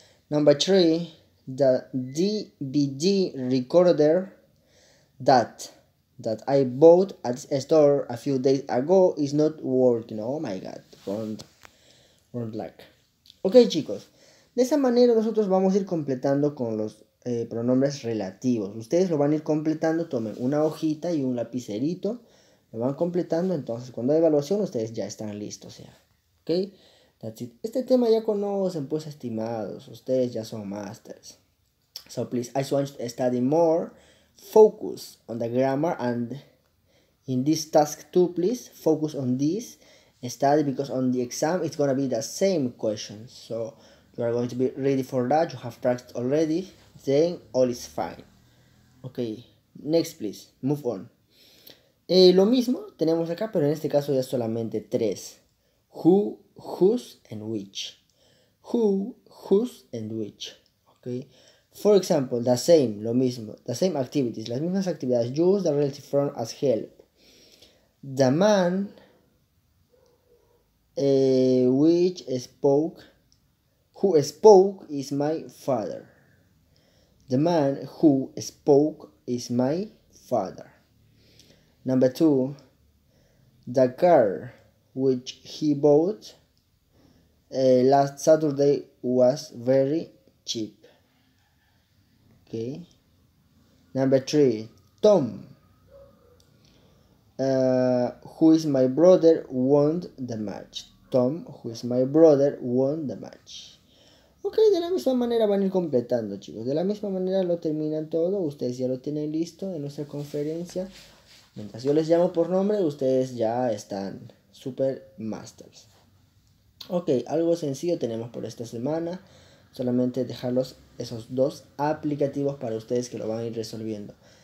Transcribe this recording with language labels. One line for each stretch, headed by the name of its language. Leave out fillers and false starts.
English: Number three, the DVD recorder that I bought at a store a few days ago is not working. Oh my God, wrong luck. Ok chicos.
Spanish: De esa manera nosotros vamos a ir completando con los pronombres relativos. Ustedes lo van a ir completando, tomen una hojita y un lapicerito, lo van completando, entonces cuando hay evaluación ustedes ya están listos. Ya. ¿Ok?
English: That's it.
Spanish: Este tema ya conocen, pues estimados, ustedes ya son masters.
English: So please, I just want to study more, focus on the grammar and in this task too, please, focus on this, study because on the exam it's gonna be the same questions, so... You are going to be ready for that, you have practiced already, then all is fine. Ok, next please, move on.
Spanish: Lo mismo tenemos acá, pero en este caso ya solamente tres.
English: Who, whose and which. Who, whose and which. Ok, for example, the same,
Spanish: lo mismo.
English: The same activities,
Spanish: las mismas actividades.
English: Use the relative pronoun as help. The man which spoke... Who spoke is my father. The man who spoke is my father. Number two, the car which he bought last Saturday was very cheap. Okay. Number three, Tom, who is my brother, won the match. Tom, who is my brother, won the match.
Spanish: Ok, de la misma manera van a ir completando, chicos. De la misma manera lo terminan todo. Ustedes ya lo tienen listo en nuestra conferencia. Mientras yo les llamo por nombre, ustedes ya están super masters. Ok, algo sencillo tenemos por esta semana. Solamente dejarlos esos dos aplicativos para ustedes que lo van a ir resolviendo.